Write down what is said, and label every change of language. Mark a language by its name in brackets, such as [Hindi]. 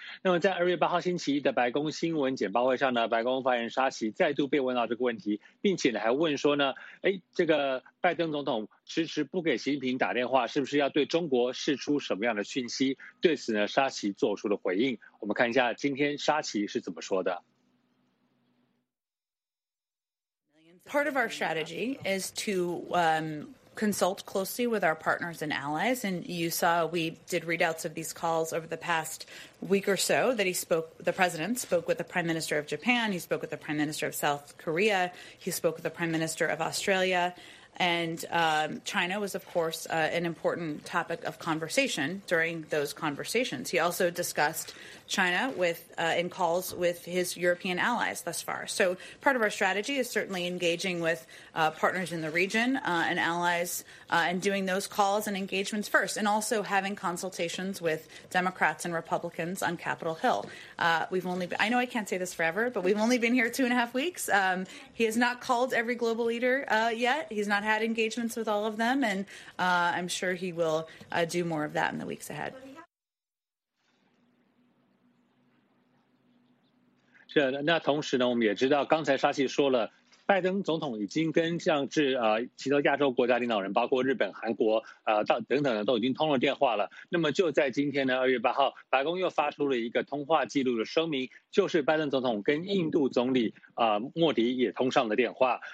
[Chinese] 那么在2月8号星期一的白宫新闻简报会上呢，白宫发言沙奇再度被问到这个问题，并且还问说呢，这个拜登总统迟迟不给习近平打电话，是不是要对中国释出什么样的讯息？对此呢，沙奇做出了回应。我们看一下今天沙奇是怎么说的。 [English] Part of our strategy is to consult closely with our partners and allies. And you saw we did readouts of these calls over the past week or so that the president spoke with the prime minister of Japan. He spoke with the prime minister of South Korea. He spoke with the prime minister of Australia. And China was, of course, an important topic of conversation during those conversations. He also discussed China in calls with his European allies thus far. So part of our strategy is certainly engaging with partners in the region and allies and doing those calls and engagements first, and also having consultations with Democrats and Republicans on Capitol Hill. I know I can't say this forever, but we've only been here 2.5 weeks. He has not called every global leader yet. He's not had engagements with all of them, and I'm sure he will do more of that in the weeks ahead. [Chinese] 那同时呢，我们也知道刚才沙奇说了，拜登总统已经跟其他亚洲国家领导人，包括日本、韩国等等的，都已经通了电话了。那么就在今天呢，2月8号，白宫又发出了一个通话记录的声明，就是拜登总统跟印度总理莫迪也通上了电话。